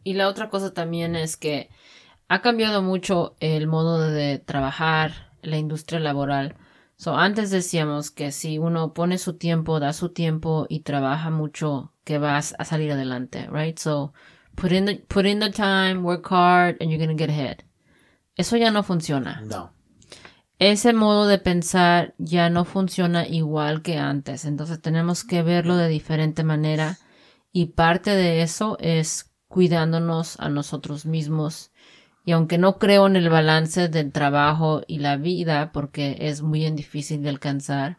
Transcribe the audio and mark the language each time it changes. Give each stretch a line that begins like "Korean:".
Spanish: Y la otra cosa también es que ha cambiado mucho el modo de trabajar, la industria laboral. So antes decíamos que si uno pone su tiempo, da su tiempo y trabaja mucho, que vas a salir adelante, right?
English: So put in the time, work hard, and you're going to get ahead.
Spanish: Eso ya no funciona. No. Ese modo de pensar ya no funciona igual que antes. Entonces tenemos que verlo de diferente manera. Y parte de eso es cuidándonos a nosotros mismos. Y aunque no creo en el balance del trabajo y la vida, porque es muy difícil de alcanzar.